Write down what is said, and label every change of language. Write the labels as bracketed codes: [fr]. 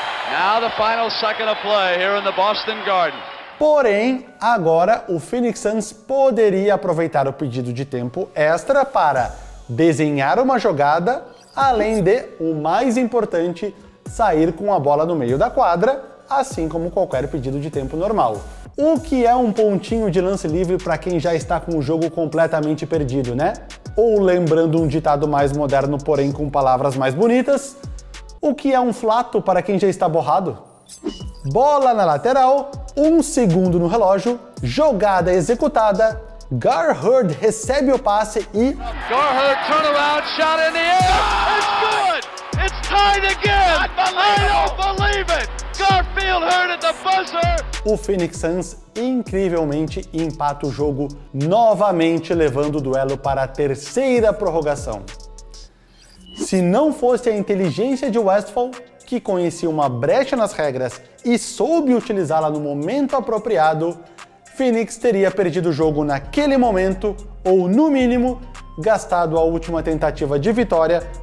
[en] Now the final second of play here in the Boston Garden. [pt] Porém, agora o Phoenix Suns poderia aproveitar o pedido de tempo extra para desenhar uma jogada, além de, o mais importante, sair com a bola no meio da quadra, assim como qualquer pedido de tempo normal. O que é um pontinho de lance livre para quem já está com o jogo completamente perdido, né? Ou lembrando um ditado mais moderno, porém com palavras mais bonitas, o que é um flato para quem já está borrado? Bola na lateral, 1 segundo no relógio, jogada executada, Gar Hurd recebe o passe e... [en] Gar Hurd, turnaround, shot in the air, it's good! It's tied again! I don't believe it! Garfield Hurd at the buzzer! [pt] O Phoenix Suns, incrivelmente, empata o jogo novamente, levando o duelo para a terceira prorrogação. Se não fosse a inteligência de Westphal, que conhecia uma brecha nas regras e soube utilizá-la no momento apropriado, Phoenix teria perdido o jogo naquele momento, ou no mínimo, gastado a última tentativa de vitória